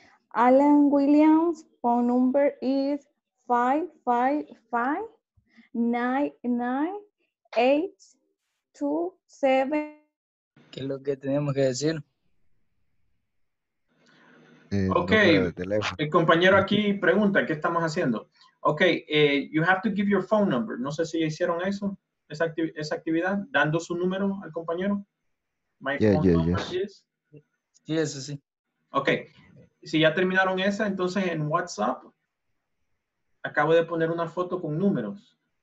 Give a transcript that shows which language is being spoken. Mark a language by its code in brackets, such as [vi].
[en] Alan Williams, phone number is 555-99827. [es] ¿Qué es lo que tenemos que decir? Ok, el compañero aquí pregunta, ¿qué estamos haciendo? [en] Ok, you have to give your phone number. [es] No sé si hicieron eso, esa actividad, dando su número al compañero. [en] My phone number. Yes, sí. [es] Ok, si ya terminaron esa, entonces en WhatsApp acabo de poner una foto con números.